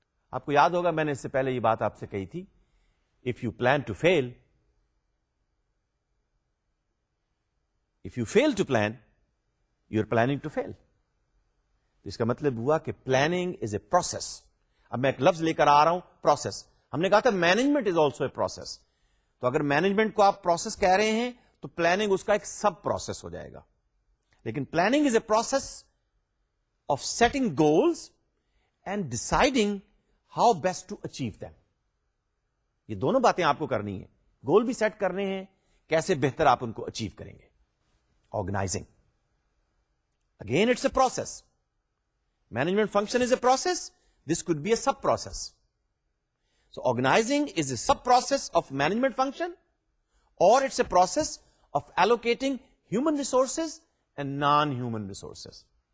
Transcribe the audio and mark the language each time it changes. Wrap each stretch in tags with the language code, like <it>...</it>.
<ur>آپ کو یاد ہوگا میں نے اس سے پہلے یہ بات آپ سے کہی تھی,</ur> <en>If you plan to fail, If you fail to plan, you are planning to fail.</en> <ur>اس کا مطلب ہوا کہ</ur> <en>planning is a process.</en> <ur>اب میں ایک لفظ لے کر آ رہا ہوں, process. ہم نے کہا تھا</ur> <en>management is also a process.</en> <ur>تو اگر management کو آپ process کہہ رہے ہیں تو planning اس کا ایک sub process ہو جائے گا.</ur> <en>لیکن planning is a process of setting goals and deciding how best to achieve them.</en> <ur>یہ دونوں باتیں آپ کو کرنی ہیں, goal بھی set کرنے ہیں, کیسے بہتر آپ ان کو achieve کریں گے.</ur> <en>Organizing. Again, it's a process. Management function is a process. This could be a sub-process. So, organizing is a sub-process of management function, or it's a process of allocating human resources and non-human resources.</en>